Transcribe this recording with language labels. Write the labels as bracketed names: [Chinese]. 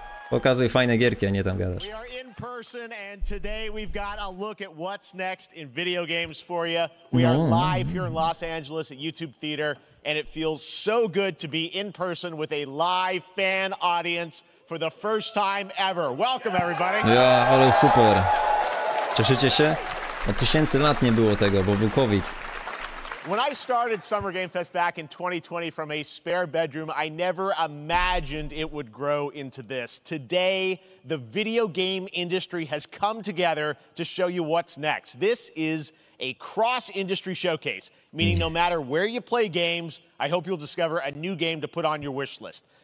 [Polish] Pokazuj fajne gierki, a nie tam gadasz. [English] Person and today we've got a look at what's next in video games for you. We are live here in Los Angeles at YouTube Theater and it feels so good to be in person with a live fan audience for the first time ever. Welcome everybody. [Polish] Ja, ale super. Cieszycie się? Od tysięcy lat nie było tego, bo był COVID. [English] When I started Summer Game Fest back in 2020 from a spare bedroom, I never imagined it would grow into this. Today, the video game industry has come together to show you what's next. This is a cross-industry showcase, meaning no matter where you play games, I hope you'll discover a new game to put on your wish list.